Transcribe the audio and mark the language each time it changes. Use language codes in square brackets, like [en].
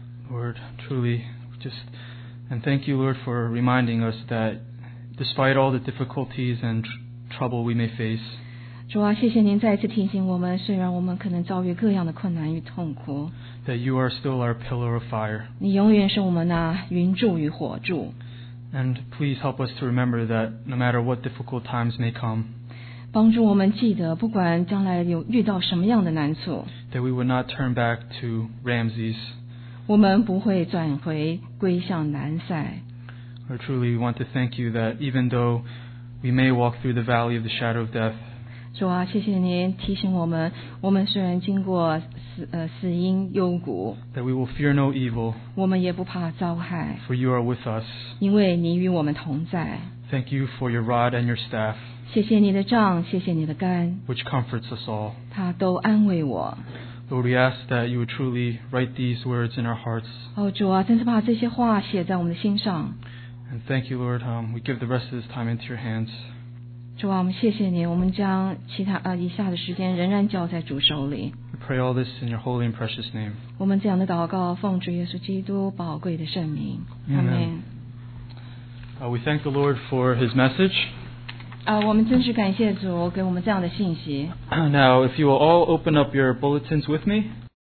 [en] Lord, truly, just and thank you, Lord, for reminding us that despite all the difficulties and trouble we may face. [zh] 主啊，谢谢您再次提醒我们，虽然我们可能遭遇各样的困难与痛苦。 [en] That you are still our pillar of fire. [zh] 你永远是我们那云柱与火柱。 [en] And please help us to remember that no matter what difficult times may come. [zh] 帮助我们记得，不管将来有遇到什么样的难处。 [en] That we would not turn back to Ramses. [zh] 我们不会转回归向南塞。 [en] I truly want to thank you that even though we may walk through the valley of the shadow of death. [zh] 主啊，谢谢您提醒我们，我们虽然经过死荫幽谷。 [en] That we will fear no evil. [zh] 我们也不怕遭害。 [en] For you are with us. [zh] 因为你与我们同在。 [en] Thank you for your rod and your staff. [zh] 谢谢你的杖，谢谢你的竿。 [en] Which comforts us all. [zh] 它都安慰我。 [en] Lord, we ask that you would truly write these words in our hearts. [zh] 哦，主啊，真是把这些话写在我们的心上。 [en] And thank you, Lord. We give the rest of this time into your hands. [zh] 主啊，我们谢谢你，我们将其他以下的时间仍然交在主手里。 [en] We pray all this in your holy and precious name. [zh] 我们这样的祷告，奉主耶稣基督宝贵的圣名。 [en] Amen. We thank the Lord for His message. [zh] 我们真是感谢主给我们这样的信息。 [en] Now, if you will all open up your bulletins with me.